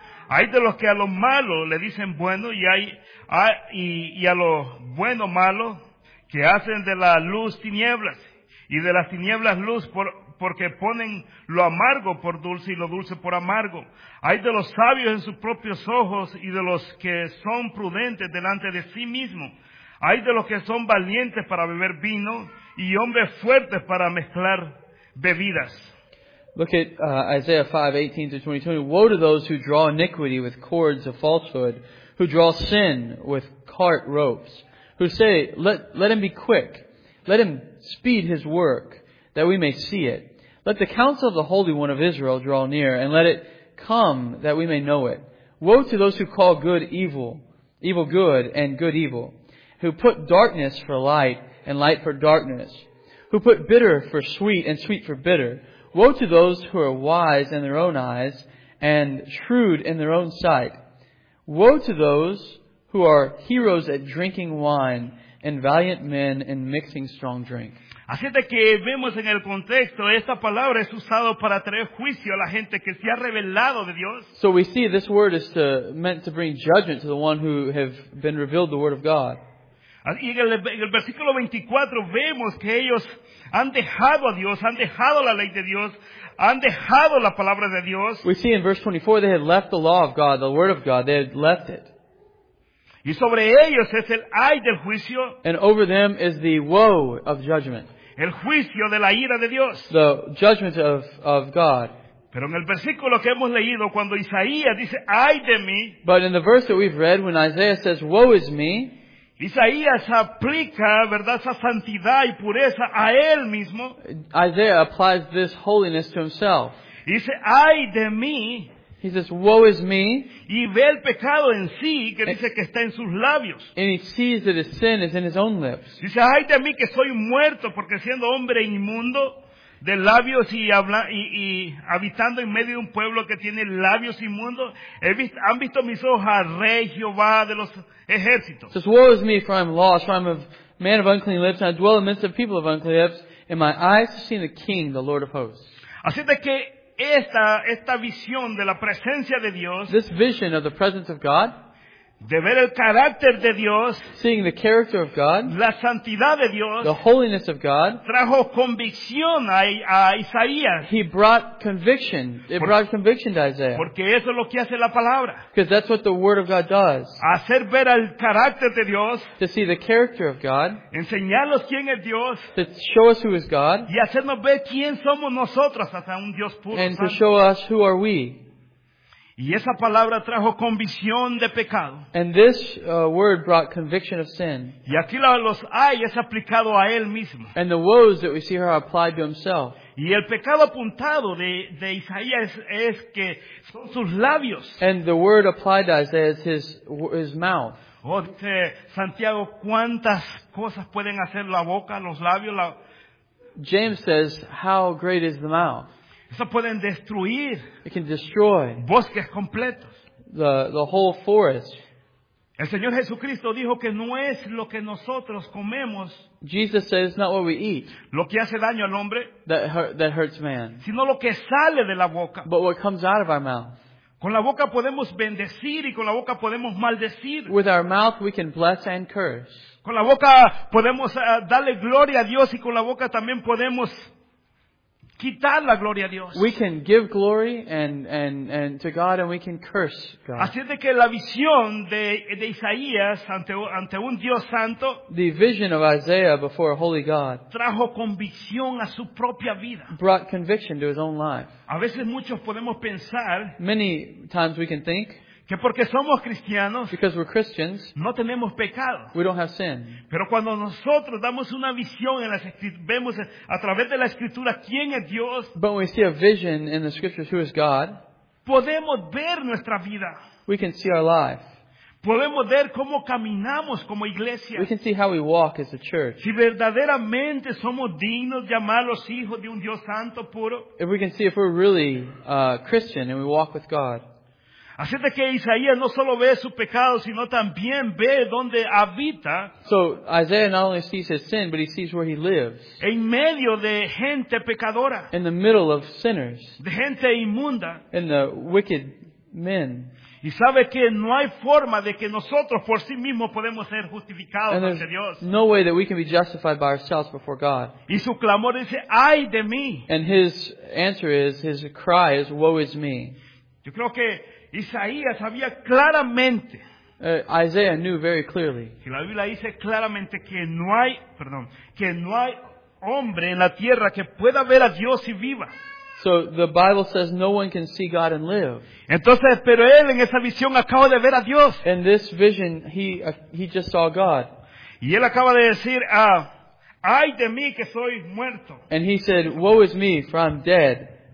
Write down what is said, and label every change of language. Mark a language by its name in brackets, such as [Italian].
[Spanish] Hay de los que a lo malo le dicen bueno y a lo bueno malo, que hacen de la luz tinieblas y de las tinieblas luz porque ponen lo amargo por dulce y lo dulce por amargo. Hay de los sabios en sus propios ojos y de los que son prudentes delante de sí mismos. Hay de los que son valientes para beber vino y hombres fuertes para mezclar bebidas. [English] Look at Isaiah 5:18-22. Woe to those who draw iniquity with cords of falsehood, who draw sin with cart ropes, who say, let him be quick, let him speed his work, that we may see it. Let the counsel of the Holy One of Israel draw near, and let it come that we may know it. Woe to those who call good evil evil good and good evil, who put darkness for light and light for darkness, who put bitter for sweet and sweet for bitter. Woe to those who are wise in their own eyes and shrewd in their own sight. Woe to those who are heroes at drinking wine and valiant men in mixing strong drink. [Spanish] Así es de que vemos en el contexto, esta palabra es usada para traer juicio a la gente que se ha revelado de Dios. [English] So we see this word is to, meant to bring judgment to the one who have been revealed the word of God. [Spanish] Y en el versículo 24 vemos que ellos han dejado a Dios, han dejado la ley de Dios, han dejado la palabra de Dios. [English] We see in verse 24 they had left the law of God, the word of God, they had left it. [Spanish] Y sobre ellos es el ay del juicio. [English] And over them is the woe of judgment. [Spanish] El juicio de la ira de Dios. [English] The judgment of God. [Spanish] Pero en el versículo que hemos leído, cuando Isaías dice, ay de mí. [English] But in the verse that we've read, when Isaiah says, woe is me. [Spanish] Isaías aplica, ¿verdad?, esa santidad y pureza a él mismo. [English] Isaiah applies this holiness to himself. [Spanish] Dice, ay de mí. [English] He says, woe is me. [Spanish] Y ve el pecado en sí, que dice que está en sus labios. [English] And he sees that his sin is in his own lips. [Spanish] Dice, ay de mí que soy muerto, porque siendo hombre inmundo de labios y habitando en medio de un pueblo que tiene labios inmundos, han visto mis ojos al Rey Jehová de los ejércitos. [English] He says, woe is me, for I am lost, for I am a man of unclean lips, and I dwell in the midst of people of unclean lips, and my eyes have seen the King, the Lord of hosts. [Spanish] Así de que Esta visión de la presencia de Dios, [English] this vision of the presence of God, [Spanish] de ver el carácter de Dios, [English] seeing the character of God, [Spanish] la santidad de Dios, [English] the holiness of God, [Spanish] trajo convicción a Isaías. [English] He brought conviction. Brought conviction to Isaiah. [Spanish] Porque eso es lo que hace la palabra. [English] Because that's what the word of God does. [Spanish] Hacer ver el carácter de Dios. [English] To see the character of God. [Spanish] Enseñarnos quién es Dios. [English] To show us who is God. [Spanish] Y hacernos ver quién somos nosotros hasta un Dios puro. [English] And [Spanish] santo. [English] To show us who are we. [Spanish] Y esa palabra trajo convicción de pecado. [English] And this word brought conviction of sin. [Spanish] Y aquí los ay es aplicado a él mismo. [English] And the woes that we see here are applied to himself. [Spanish] Y el pecado apuntado de Isaías es que son sus labios. [English] And the word applied to Isaiah is his mouth. [Spanish] Dice Santiago, ¿cuántas cosas pueden hacer la boca, los labios? [English] James says, how great is the mouth? [Spanish] Eso pueden destruir. [English] It can destroy. [Spanish] Bosques completos. [English] The whole forest. [Spanish] El Señor Jesucristo dijo que no es lo que nosotros comemos. [English] Jesus said it's not what we eat. [Spanish] Lo que hace daño al hombre. [English] That hurts man. [Spanish] Sino lo que sale de la boca. [English] But what comes out of our mouth. [Spanish] Con la boca podemos bendecir y con la boca podemos maldecir. [English] With our mouth we can bless and curse. [Spanish] Con la boca podemos darle gloria a Dios y con la boca también podemos quitar la gloria a Dios. [English] We can give glory and to God, and we can curse God. [Spanish] Así de que la visión de Isaías ante un Dios santo, [English] the vision of Isaiah before a holy God, [Spanish] trajo convicción a su propia vida. [English] Brought conviction to his own life. [Spanish] A veces muchos podemos pensar, [English] many times we can think, [Spanish] que porque somos cristianos, [English] because we're Christians, [Spanish] no tenemos pecado. [English] We don't have sin. [Spanish] Pero cuando nosotros damos una visión en las escrituras, vemos a través de la escritura quién es Dios. [English] But when we see a vision in the scriptures who is God, [Spanish] podemos ver nuestra vida. [English] We can see our life. [Spanish] Podemos ver cómo caminamos como iglesia. [English] We can see how we walk as a church. [Spanish] Si verdaderamente somos dignos de llamar los hijos de un Dios santo puro. [English] If we can see if we're really Christian and we walk with God. [Spanish] Así de que Isaías no solo ve su pecado, sino también ve donde habita. [English] So Isaiah not only sees his sin, but he sees where he lives. [Spanish] En medio de gente pecadora. [English] In the middle of sinners. [Spanish] De gente inmunda. [English] In the wicked men. [Spanish] Y sabe que no hay forma de que nosotros por sí mismos podemos ser justificados ante Dios. [English] And there's no way that we can be justified by ourselves before God. [Spanish] Y su clamor dice, ¡ay de mí! [English] And his answer is, his cry is, woe is me. [Spanish] Yo creo que Isaías sabía claramente. [English] Isaiah knew very clearly. [Spanish] Que la Biblia dice claramente que no hay, perdón, que no hay hombre en la tierra que pueda ver a Dios y viva. [English] So the Bible says no one can see God and live. [Spanish] Entonces, pero él en esa visión acaba de ver a Dios. [English] In this vision, he just saw God. [Spanish] Y él acaba de decir, ay de mí que soy muerto. [English] And he said, woe is me, for I'm dead.